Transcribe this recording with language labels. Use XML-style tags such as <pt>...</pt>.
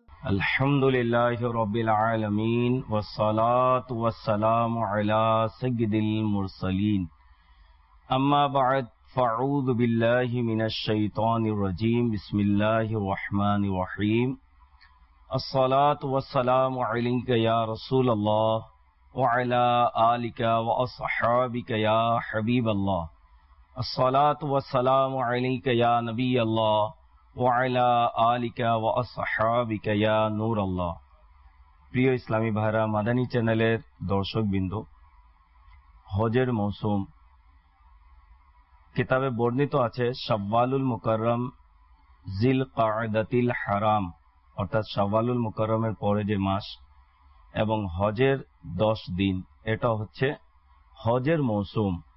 <ar>আলহামদুলিল্লাহি রাব্বিল আলামিন ওয়াস সালাতু ওয়াস সালামু আলা সাইয়্যিদিল মুরসালিন আম্মা বা'দ। فأعوذ بالله من الشيطان الرجيم، بسم الله الرحمن الرحيم، الصلاة والسلام عليك يا رسول الله وعلى آلك وأصحابك يا حبيب الله، الصلاة والسلام عليك يا نبي الله وعلى آلك وأصحابك يا نور الله.</ar> <bn>প্রিয় ইসলামী ভাইরা, মাদানী চ্যানেলের দর্শক বিন্দু, হজের মৌসুম, কিতাবে বর্ণিত আছে</bn> <ar>শাওয়ালুল মুকাররম জিল কাআদাতিল হারাম,</ar> <bn>অর্থাৎ শাওয়ালুল মুকাররমের পরে যে মাস এবং হজের দশ দিন, এটা হচ্ছে হজের মৌসুম।</bn>